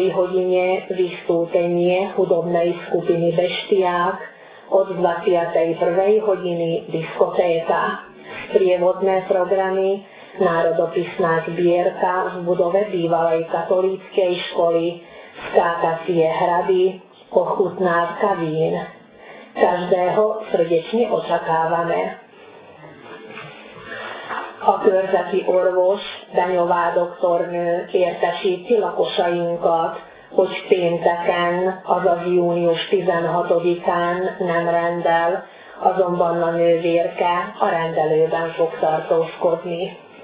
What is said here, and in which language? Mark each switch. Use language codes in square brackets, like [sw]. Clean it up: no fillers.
[sk] hodine vystúpenie hudobnej skupiny Beštiák, od 21. hodiny diskotéka. Sprievodné programy, národopisná zbierka v budove bývalej katolíckej školy, skákacie hrady, ochutnávka vín. Každého srdečne očakávame. [hu] Körzeti orvos, Beňová doktornő értesíti lakosainkat, hogy pénteken, azaz június 16-án nem rendel, azonban a nővérke a rendelőben fog tartózkodni.